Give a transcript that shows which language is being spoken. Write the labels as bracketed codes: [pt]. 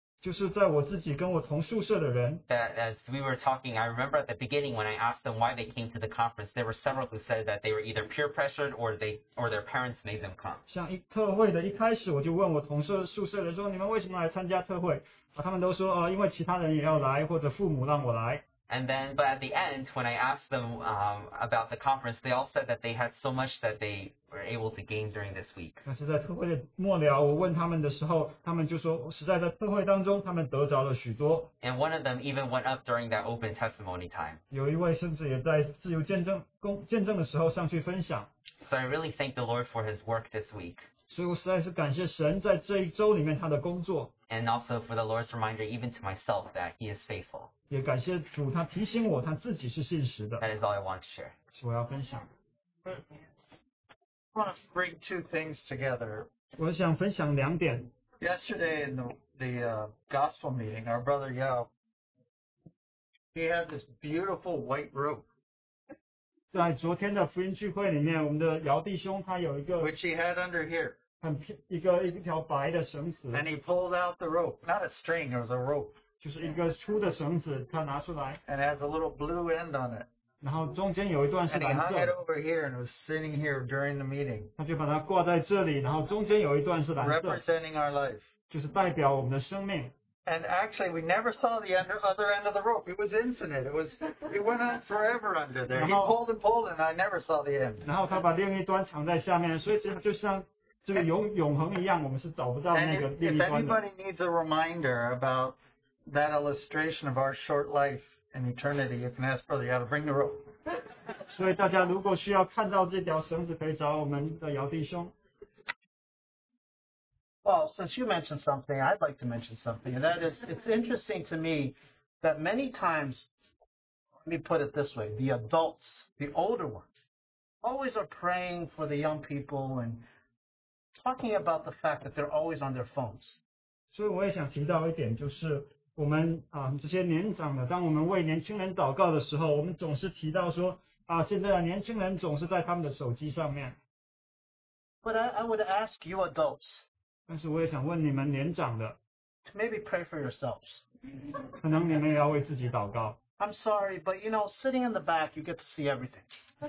[zh] 就是在我自己跟我同宿舍的人。 [en] That as we were talking, I remember at the beginning when I asked them why they came to the conference, there were several who said that they were either peer pressured or their parents made them come. [zh] 像一特会的一开始，我就问我同宿舍的说你们为什么来参加特会？他们都说哦，因为其他人也要来，或者父母让我来。 [en] And then, but at the end, when I asked them about the conference, they all said that they had so much that they were able to gain during this week. [zh] 但是在特会的末了，我问他们的时候，他们就说，实在在特会当中，他们得着了许多。 [en] And one of them even went up during that open testimony time. [zh] 有一位甚至也在自由见证的时候上去分享。 [en] So I really thank the Lord for His work this week. [zh] 所以我实在是感谢神在这一周里面他的工作。 [en] And also for the Lord's reminder, even to myself, that He is faithful. [zh] 也感谢主，他提醒我他自己是信实的。 [en] That is all I want to share. [zh] 是我要分享。 [en] I want to bring two things together. [zh] 我想分享两点。 [en] Yesterday in the gospel meeting, our brother Yao, he had this beautiful white robe. [zh] 在昨天的福音聚会里面，我们的姚弟兄他有一个。 [en] Which he had under here. [zh] 一条白的绳子。 [en] And he pulled out the rope, not a string, it was a rope. [zh] 就是一个粗的绳子，他拿出来。 [en] And it has a little blue end on it. [zh] 然后中间有一段是蓝色。 [en] And he hung it over here and was sitting here during the meeting. [zh] 他就把它挂在这里，然后中间有一段是蓝色。 [en] Representing our life. [zh] 就是代表我们的生命。 [en] And actually, we never saw the other end of the rope. It was infinite. It went on forever under there. He pulled and pulled and I never saw the end. [zh] 然后他把另一端藏在下面，所以这就像。 [en] If anybody needs a reminder about that illustration of our short life and eternity, you can ask Brother Yao to bring the rope. [zh] 所以大家如果需要看到这条绳子，可以找我们的姚弟兄。 [en] Well, since you mentioned something, I'd like to mention something. And that is, it's interesting to me that many times, let me put it this way, the adults, the older ones, always are praying for the young people and... talking about the fact that they're always on their phones. [zh] 所以我也想提到一点，就是我们啊这些年长的，当我们为年轻人祷告的时候，我们总是提到说啊，现在的年轻人总是在他们的手机上面。 [en] But I would ask you adults. [zh] 但是我也想问你们年长的 [en] ，to maybe pray for yourselves. [zh] 可能你们也要为自己祷告。 [en] I'm sorry, but you know, sitting in the back, you get to see everything.